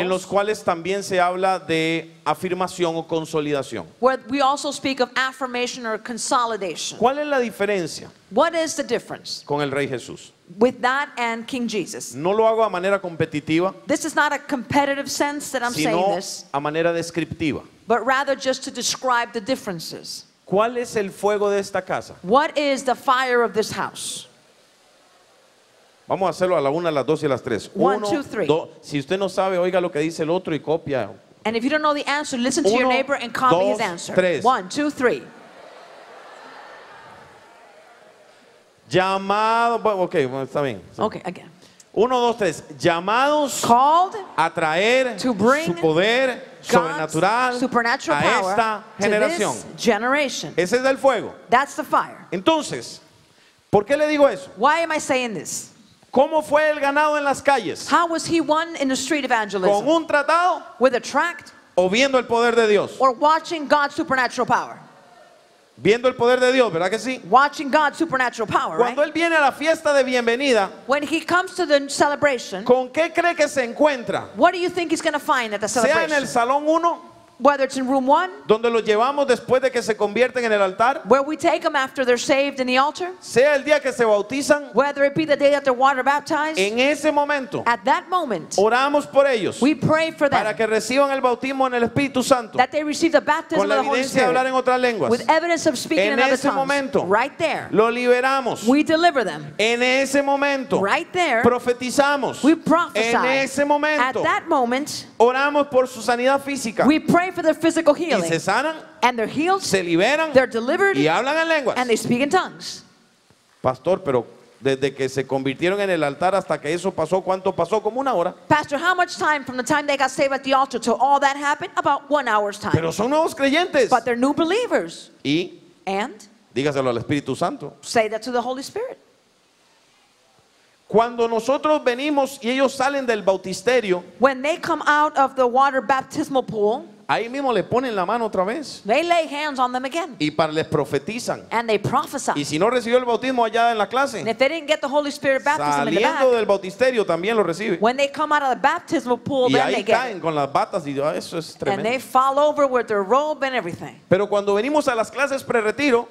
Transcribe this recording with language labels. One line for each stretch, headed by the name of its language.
Spanish: en los cuales también se habla de afirmación o consolidación.
English: Where we also speak of affirmation or consolidation.
Spanish: ¿Cuál es la diferencia?
English: What is the difference?
Spanish: Con el Rey Jesús.
English: With that and King Jesus.
Spanish: No lo hago a manera competitiva.
English: This is not a competitive sense that I'm saying this.
Spanish: Sino a manera descriptiva.
English: But rather just to describe the differences.
Spanish: ¿Cuál es el fuego de esta casa?
English: What is the fire of this house?
Spanish: Vamos a hacerlo a la una, a las dos y a las tres.
English: One, two, three.
Spanish: Si usted no sabe, oiga lo que dice el otro y copia.
English: And if you don't know the answer, listen to
Spanish: uno,
English: your neighbor and copy
Spanish: dos,
English: his answer.
Spanish: Tres.
English: One, two, three.
Spanish: Llamado. Okay, está bien.
English: Okay, again.
Spanish: Uno, dos, tres. Llamados.
English: Called.
Spanish: A traer.
English: To bring.
Spanish: Su poder.
English: God's
Spanish: sobrenatural.
English: Supernatural power.
Spanish: A esta generación.
English: To this generation.
Spanish: Ese es el fuego.
English: That's the fire.
Spanish: Entonces, ¿por qué le digo eso?
English: Why am I saying this?
Spanish: ¿Cómo fue el ganado en las calles?
English: How was he won in the street evangelism?
Spanish: ¿Con un tratado?
English: With a tract?
Spanish: ¿O viendo el poder de Dios?
English: Or watching God's supernatural power?
Spanish: Viendo el poder de Dios, ¿verdad que sí?
English: Watching God's supernatural power,
Spanish: cuando
English: right?
Spanish: Él viene a la fiesta de bienvenida,
English: when he comes to the celebration,
Spanish: ¿con qué cree que se encuentra?
English: What do you think he's going to find at the celebration?
Spanish: Sea en el salón 1,
English: whether it's in room 1,
Spanish: donde lo llevamos después de que se convierten en el altar,
English: where we take them after they're saved in the altar,
Spanish: sea el día que se bautizan,
English: whether it be the day that they're water baptized,
Spanish: en ese momento,
English: at that moment,
Spanish: oramos por ellos,
English: we pray for them,
Spanish: para que reciban el bautismo en el Espíritu Santo,
English: that they receive the baptism of the Holy Spirit,
Spanish: con la evidencia de hablar en otras lenguas,
English: with evidence of speaking in other tongues,
Spanish: en ese momento,
English: right there,
Spanish: lo liberamos,
English: we deliver them,
Spanish: en ese momento,
English: right there,
Spanish: profetizamos,
English: we prophesy,
Spanish: en ese momento,
English: at that moment,
Spanish: oramos por su sanidad física,
English: we pray for their physical healing,
Spanish: y se sanan,
English: and they're healed,
Spanish: se liberan,
English: they're delivered,
Spanish: y hablan en lenguas,
English: and they speak in tongues.
Spanish: Pastor, pero desde que se convirtieron en el altar hasta que eso pasó, ¿cuánto pasó? Como una hora.
English: Pastor, how much time from the time they got saved at the altar to all that happened? About 1 hour's time.
Spanish: Pero son nuevos creyentes.
English: But they're new believers.
Spanish: Y
English: and
Spanish: dígaselo al Espíritu Santo.
English: Say that to the Holy Spirit.
Spanish: Cuando nosotros venimos y ellos salen del bautisterio,
English: when they come out of the water baptismal pool,
Spanish: ahí mismo le ponen la mano otra vez.
English: They lay hands on them again.
Spanish: Y para les profetizan.
English: And they prophesy.
Spanish: Y si no recibió el bautismo allá en la clase,
English: and if they didn't get the Holy Spirit baptism
Spanish: saliendo
English: in the back,
Spanish: del bautisterio también lo recibe.
English: When they come out of the baptismal pool,
Spanish: y
English: then
Spanish: ahí
English: they
Spanish: caen
English: get it.
Spanish: Con las batas y oh, eso es tremendo.
English: And they fall over with their robe and everything.
Spanish: Pero cuando venimos a las clases pre-retiro,